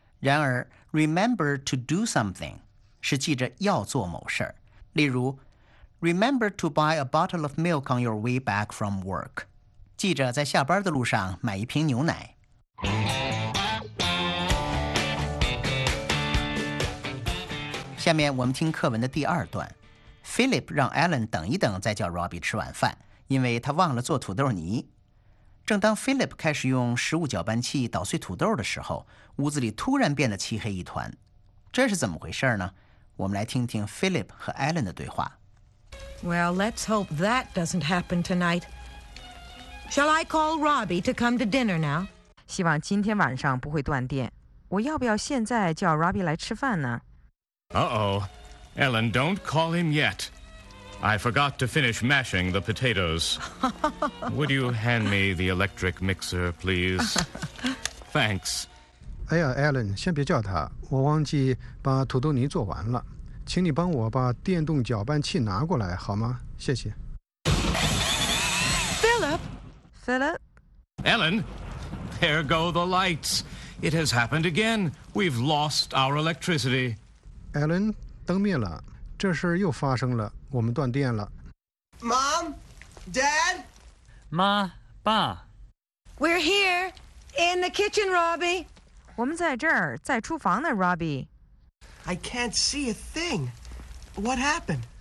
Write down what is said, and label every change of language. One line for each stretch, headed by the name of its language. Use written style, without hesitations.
Chinese: 然而
English: remember to do something
Chinese: 是记着要做某事，例如
English: remember to buy a bottle of milk on your way back from work，
Chinese: 记着在下班的路上买一瓶牛奶。下面我们听课文的第二段。Philip 让 Alan 等一等再叫 Robbie 吃晚饭，因为他忘了做土豆泥。正当 Philip 开始用食物搅拌器捣碎土豆的时候，屋子里突然变得漆黑一团，这是怎么回事呢？我们来听听 Philip 和 Alan 的对话。
English: Well, let's hope that doesn't happen tonight. Shall I call Robbie to come to dinner now?
Chinese: 希望今天晚上不会断电。我要不要现在叫 Robbie 来吃饭呢？
English: Uh-oh. Ellen, don't call him yet. I forgot to finish mashing the potatoes. Would you hand me the electric mixer, please? Thanks.
Chinese: 哎呀 ，Alan， 先别叫他，我忘记把土豆泥做完了，请你帮我把电动搅拌器拿过来好吗？谢谢。
English: Philip. Ellen, there go the lights. It has happened again. We've lost our electricity.
Chinese: Ellen, 灯灭了，这事又发生了，我们断电了。
English: Mom, Dad,
Chinese: 妈爸
English: ，We're here in the kitchen, Robbie.
Chinese: 我们在这儿，在厨房呢 ，Robbie.
English: I can't see a thing. What happened?